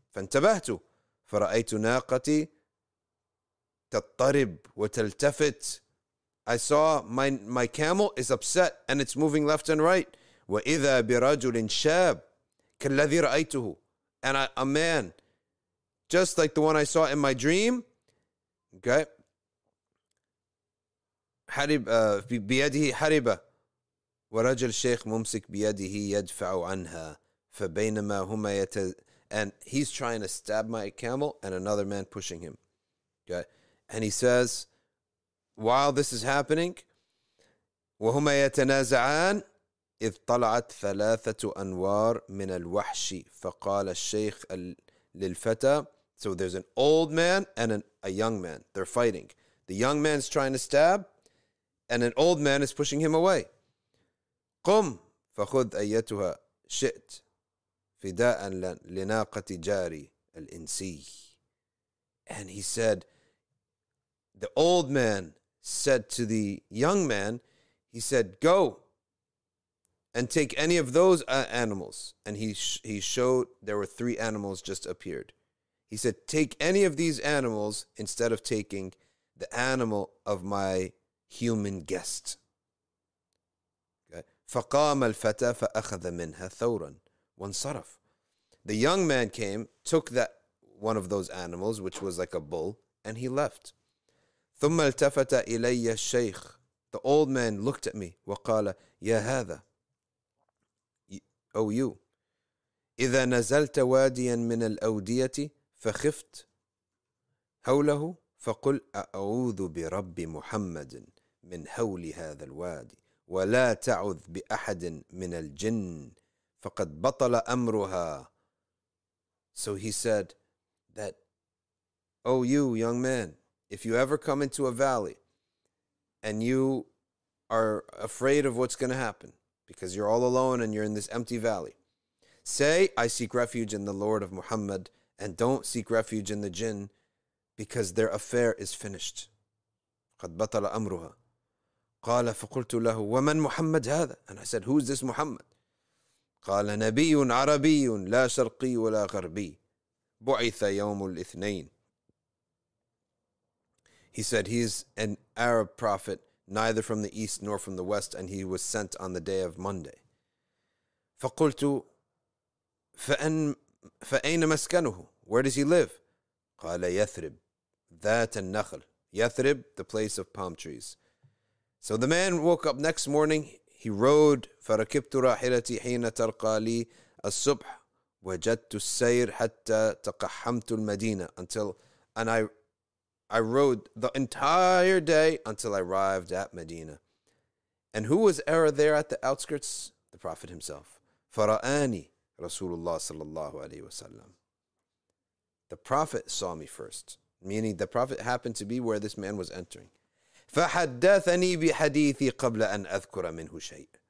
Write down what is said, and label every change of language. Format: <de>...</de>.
<ar>فانتبهتُ فرأيتُ ناقتي تضطرب وتلتفت.</ar> <en>I saw my camel is upset and it's moving left and right.</en> <ar>وإذا برجل شاب كالذي رأيته.</ar> <en>And a man, just like the one I saw in my dream. Okay.</en> <ar>حرب بيده حربة ورجل شيخ ممسك بيده يدفع عنها فبينما هما</ar> <en>and he's trying to stab my camel and another man pushing him. Okay. And he says, while this is happening,</en> <ar>وهما يتنازعان إذ طلعت ثلاثة أنوار من الوحش فقال الشيخ للفتى.</ar> <en>So there's an old man and a young man. They're fighting. The young man's trying to stab and an old man is pushing him away.</en> <ar>قم فخذ أيتها شئت فداء لناقة جاري الإنسي.</ar> <en>And he said, the old man said to the young man, he said, go and take any of those animals. And he showed, there were three animals just appeared. He said, take any of these animals instead of taking the animal of my human guest.</en> <ar>فقام الفتى فأخذ منها ثورا وانصرف.</ar> <en>The young man came, took that one of those animals, which was like a bull, and he left.</en> <ar>ثم التفت إلي الشيخ.</ar> <en>The old man looked at me</en> <ar>وقال يا هذا.</ar> <en>Oh you.</en> <ar>إذا نزلت واديا من الأودية فخفت هوله فقل أعوذ برب محمد من هول هذا الوادي ولا تعوذ بأحد من الجن فقد بطل أمرها.</ar> <en>So he said that, oh you young man, if you ever come into a valley and you are afraid of what's going to happen because you're all alone and you're in this empty valley, say, I seek refuge in the Lord of Muhammad and don't seek refuge in the jinn because their affair is finished.</en> <ar>قد بطل أمرها. قال فقلت له ومن محمد هذا.</ar> <en>And I said, who's this Muhammad?</en> <ar>قال نبي عربي لا شرقي ولا غربي بعث يوم الاثنين.</ar> <en>He said, he's an Arab prophet, neither from the east nor from the west, and he was sent on the day of Monday.</en> <ar>فقلت فأين مسكنه,</ar> <en>where does he live?</en> <ar>قال يثرب ذات النخل. يثرب,</ar> <en>the place of palm trees. So the man woke up next morning, he rode,</en> <ar>فركبت راحلتي حين ترقى لي الصبح وجدت السير حتى تقحمت المدينة.</ar> <en>Until, and I rode the entire day until I arrived at Medina. And who was ever there at the outskirts? The Prophet himself.</en> <ar>فرآني رسول الله صلى الله عليه وسلم.</ar> <en>The Prophet saw me first. Meaning the Prophet happened to be where this man was entering.</en> <ar>فحدثني بحديثي قبل أن أذكر منه شيء.</ar>